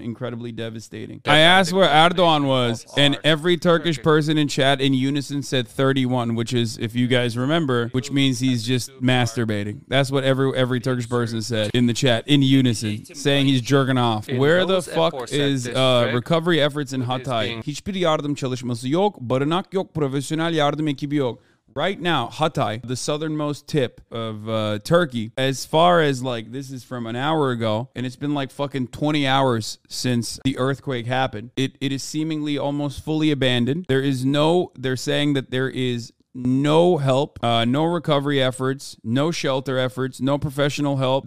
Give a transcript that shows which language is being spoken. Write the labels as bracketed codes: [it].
[en] Incredibly devastating. I asked where Erdogan was, and every Turkish person in chat in unison said 31, which is, if you guys remember, which means he's just masturbating. That's what every Turkish person said in the chat in unison, saying he's jerking off. Where the fuck is recovery efforts in Hatay? [tr] Hiçbir yardım çalışması yok, barınak yok, profesyonel yardım ekibi yok. [en] Right now, Hatay, the southernmost tip of Turkey, as far as, like, this is from an hour ago, and it's been, like, fucking 20 hours since the earthquake happened. It is seemingly almost fully abandoned. They're saying that there is no help, no recovery efforts, no shelter efforts, no professional help.